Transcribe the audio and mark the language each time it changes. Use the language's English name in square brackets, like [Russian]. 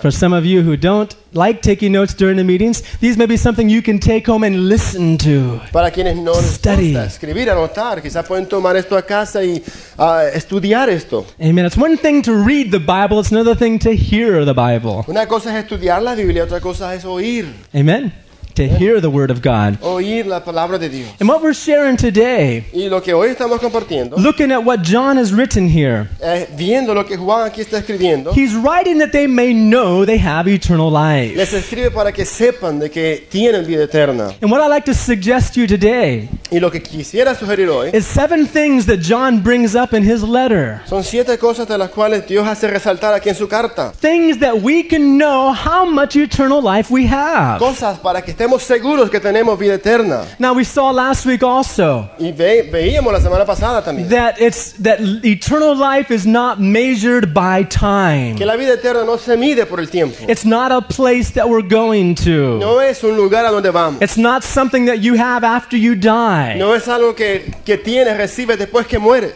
[English] For some of you who don't like taking notes during the meetings, these may be something you can take home and listen to. [Spanish] Para quienes no les gusta escribir, anotar, quizás pueden tomar esto a casa y estudiar esto. [English] Amen. It's one thing to read the Bible; it's another thing to hear the Bible. [Spanish] Una cosa es estudiar la Biblia, otra cosa es oír. [English] Amen. To hear the word of God. [Spanish] Oír la palabra de Dios. [English] And what we're sharing today, [Spanish] y lo que hoy estamos compartiendo, [English] looking at what John has written here, [Spanish] viendo lo que Juan aquí está escribiendo, [English] he's writing that they may know they have eternal life. [Spanish] Les escribe para que sepan de que tienen vida eterna. [English] And what I'd like to suggest to you today, [Spanish] y lo que quisiera sugerir hoy, [English] is seven things that John brings up in his letter. [Spanish] Son siete cosas de las cuales Dios hace resaltar aquí en su carta. [English] Things that we can know how much eternal life we have. [Spanish] Cosas para que estemos seguros que tenemos vida eterna. [English] Now we saw last week also. [Spanish] Y veíamos la semana pasada también. [English] That eternal life is not measured by time. [Spanish] Que la vida eterna no se mide por el tiempo. [English] It's not a place that we're going to. [Spanish] No es un lugar a donde vamos. [English] It's not something that you have after you die. [Spanish] No es algo que tienes, recibes después que mueres.